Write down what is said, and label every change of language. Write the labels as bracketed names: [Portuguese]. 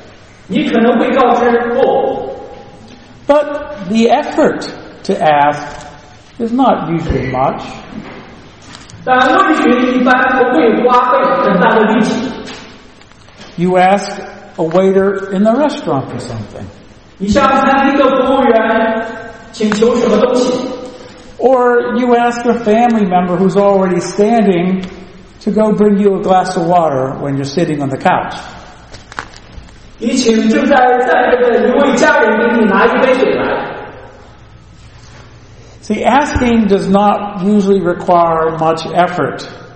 [Chinese] 当你向某人请求保释时，你就承担一定的风险。你可能会告知不。 [English] But the effort to ask is not usually much. [Chinese] 但问询一般不会花费很大的力气。 [English] You ask a waiter in the restaurant for something. [Chinese] 你向餐厅的服务员请求什么东西。 [English] Or you ask a family member who's already standing to go bring you a glass of water when you're sitting on the couch. See, asking does not usually require much effort.